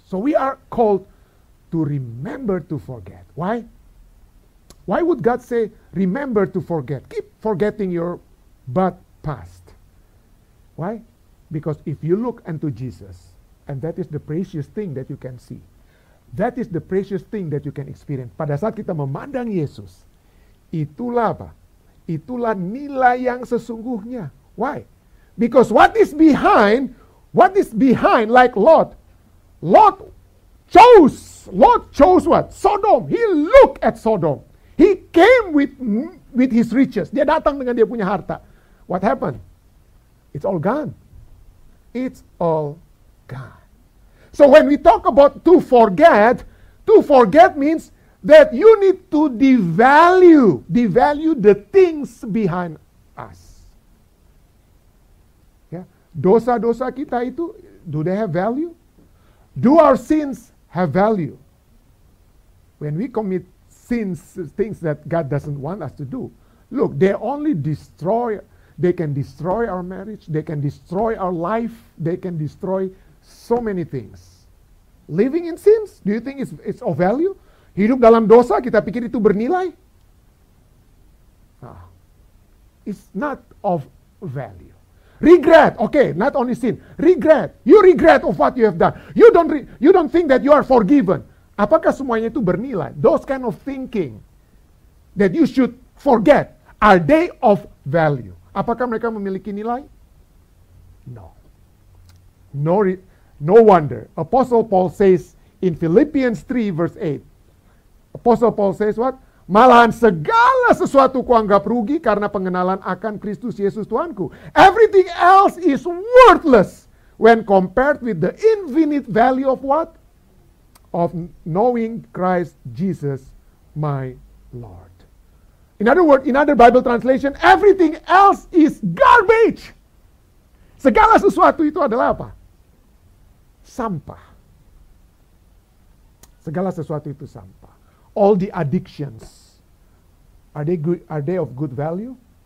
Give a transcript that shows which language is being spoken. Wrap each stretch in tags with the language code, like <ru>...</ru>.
<en>So we are called to remember to forget. Why? Why would God say, remember to forget? Keep forgetting your bad past. Why? Because if you look unto Jesus, and that is the precious thing that you can see, that is the precious thing that you can experience.</en> <id>Pada saat kita memandang Yesus, itulah apa? Itulah nilai yang sesungguhnya.</id> <en>Why? Because what is behind, like Lot, Lot chose what? Sodom. He looked at Sodom. He came with his riches.</en> <id>Dia datang dengan dia punya harta.</id> <en>What happened? It's all gone. It's all gone. So when we talk about to forget means that you need to devalue the things behind us. Yeah.</en> <id>Dosa-dosa kita itu,</id> <en>do they have value? Do our sins have value? When we commit sins, things that God doesn't want us to do, look, they only destroy, they can destroy our marriage, they can destroy our life, they can destroy so many things. Living in sins, do you think it's of value?</en> <id>Hidup dalam dosa, kita pikir itu bernilai?</id> <en>Ah, it's not of value. Regret, okay, not only sin. Regret, you regret of what you have done. You don't think that you are forgiven.</en> <id>Apakah semuanya itu bernilai?</id> <en>Those kind of thinking that you should forget, are they of value?</en> <id>Apakah mereka memiliki nilai?</id> <en>No. No wonder. Apostle Paul says in Philippians 3 verse 8, Apostle Paul says what?</en> <id>Malahan segala sesuatu kuanggap rugi karena pengenalan akan Kristus Yesus Tuhanku.</id> <en>Everything else is worthless when compared with the infinite value of what? Of knowing Christ Jesus my Lord. In other words, in other Bible translation, everything else is garbage.</en> <id>Segala sesuatu itu adalah apa? Sampah. Segala sesuatu itu sampah.</id> <en>All the addictions, are they good, are they of good value?</en>